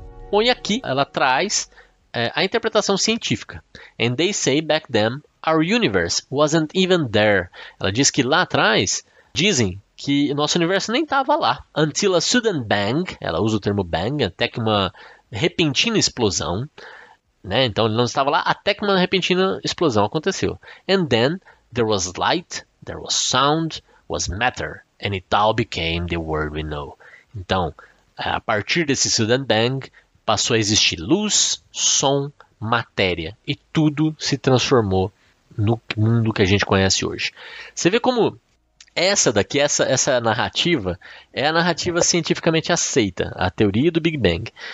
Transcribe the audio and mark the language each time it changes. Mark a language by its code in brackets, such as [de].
[pt] Bom, e aqui ela traz a interpretação científica. [en] "And they say back then our universe wasn't even there." [pt] Ela diz que lá atrás dizem que nosso universo nem estava lá. [en] "Until a sudden bang," [pt] ela usa o termo bang, até que uma repentina explosão, né? Então ele não estava lá até que uma repentina explosão aconteceu. [en] "And then there was light, there was sound, was matter, and it all became the world we know." [pt] Então, a partir desse sudden bang, passou a existir luz, som, matéria. E tudo se transformou no mundo que a gente conhece hoje. Você vê como essa daqui, essa narrativa, é a narrativa cientificamente aceita, a teoria do Big Bang.